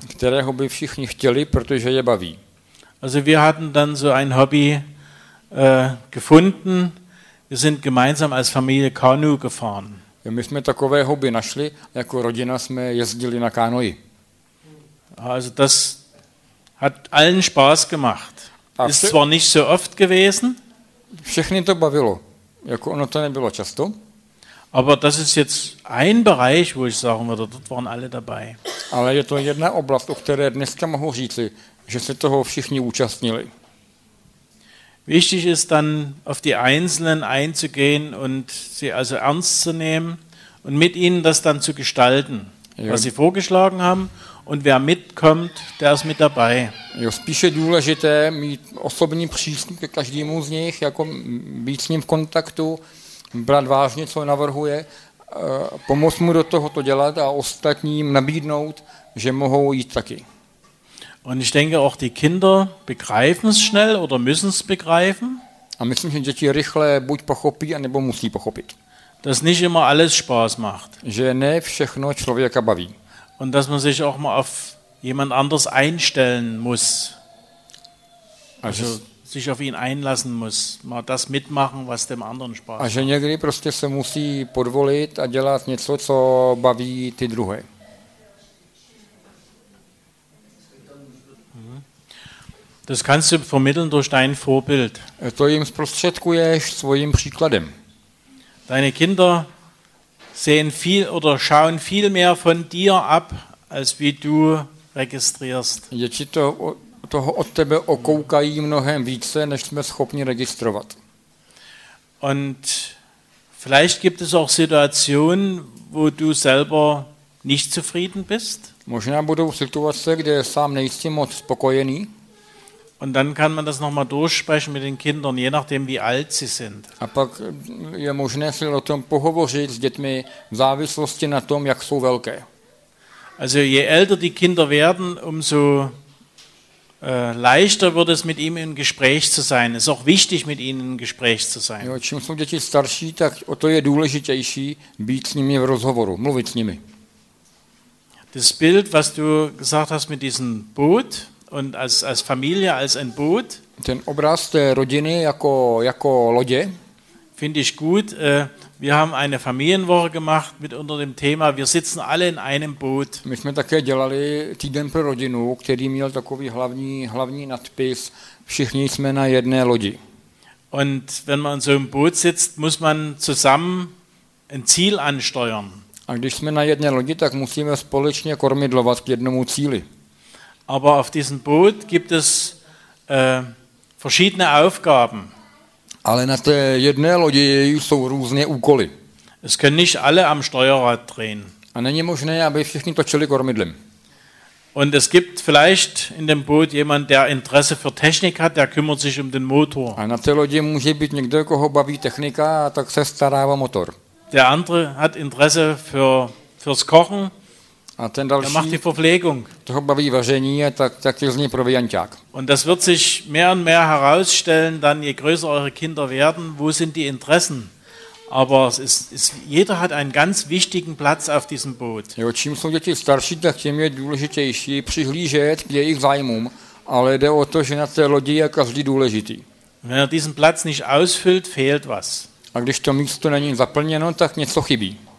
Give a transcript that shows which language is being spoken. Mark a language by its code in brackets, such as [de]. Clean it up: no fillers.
[cs] Kterého by všichni chtěli, protože je baví. [de] Also wir hatten dann so ein Hobby gefunden. Wir sind gemeinsam als Familie Kanu gefahren. [cs] My jsme takové hobby našli, jako rodina jsme jezdili na kánoji. [de] Also das hat allen Spaß gemacht. Ist zwar nicht so oft gewesen. [cs] Všechny to bavilo, jako ono to nebylo často. [de] Aber das ist jetzt ein Bereich, wo ich sagen würde, dort waren alle dabei. [cs] Ale je to jedna oblast, o které dneska mohu říci, že se toho všichni účastnili. [de] Wichtig ist dann, auf die Einzelnen einzugehen und sie also ernst zu nehmen und mit ihnen das dann zu gestalten, was sie vorgeschlagen haben, und wer mitkommt, der ist mit dabei. [cs] Jo, spíše důležité mít osobní přístup ke každému z nich, jako být s ním v kontaktu, brát vážně, co navrhuje, pomoct mu do toho to dělat a ostatním nabídnout, že mohou jít taky. [de] Und ich denke, auch die Kinder begreifen es schnell oder müssen es begreifen. [cs] A myslím, že děti rychle buď pochopí, anebo musí pochopit. [de] Dass nicht immer alles Spaß macht. [cs] Že ne všechno člověka baví. [de] Und dass man sich auch mal auf jemand anders einstellen muss. Also sich auf ihn einlassen muss. Mal das mitmachen, was dem anderen Spaß [cs] macht. A že někdy prostě se musí podvolit a dělat něco, co baví ty druhé. [de] Das kannst du vermitteln durch dein Vorbild. [cs] To jim zprostředkuješ svým příkladem. [de] Deine Kinder sehen viel oder schauen viel mehr von dir ab, als wie du registrierst. [cs] Děti toho od tebe okoukají mnohem více, než jsme schopni registrovat. [de] Und vielleicht gibt es auch Situationen, wo du selber nicht zufrieden bist. [cs] Možná budou situace, kde sám nejsi moc spokojený. [de] Und dann kann man das nochmal durchsprechen mit den Kindern, je nachdem wie alt sie sind. [cs] A pak je možné si o tom pohovořit s dětmi v závislosti na tom, jak jsou velké. [de] Also je älter die Kinder werden, umso leichter wird es mit ihnen in Gespräch zu sein. Es ist auch wichtig, mit ihnen in Gespräch zu sein. [cs] Jo, čím jsou děti starší, tak o to je důležitější být s nimi v rozhovoru, mluvit s nimi. [de] Das Bild, was du gesagt hast mit diesem Boot, und als Familie, als ein Boot. [cs] Ten obraz té rodiny jako lodě. [de] finde ich gut. Wir haben eine Familienwoche gemacht mit unter dem Thema, wir sitzen alle in einem Boot. [cs] My jsme také dělali týden pro rodinu, který měl takový hlavní nadpis, všichni jsme na jedné lodi. [de] Und wenn man so im Boot sitzt, muss man zusammen ein Ziel ansteuern. [cs] A když jsme na jedné lodi, tak musíme společně kormidlovat k jednomu cíli. [de] Aber auf diesem Boot gibt es verschiedene Aufgaben. [cs] Ale na té jedné lodi jsou různé úkoly. [de] Es können nicht alle am Steuerrad drehen. [cs] A není možné, aby všichni točili kormidlem. [de] Und es gibt vielleicht in dem Boot jemand, der Interesse für Technik hat, der kümmert sich um den Motor. [cs] A na té lodi může být někdo, koho baví technika, a tak se stará o motor. [de] Der andere hat Interesse fürs Kochen. [cs] A ten další, [de] der macht die Verpflegung. [cs] Toho baví vaření, a tak je z něj provianťák. [de] Und das wird sich mehr und mehr herausstellen, dann je größer eure Kinder werden, wo sind die Interessen? Aber es ist jeder hat einen ganz wichtigen Platz auf diesem Boot. [cs] Jo, čím jsou děti starší, tak tím je důležitější přihlížet k jejich zájmům, ale jde o to, že na té lodi je každý důležitý. [de] Wenn er diesen Platz nicht ausfüllt, fehlt was. [cs] A když to místo není zaplněno, tak něco chybí.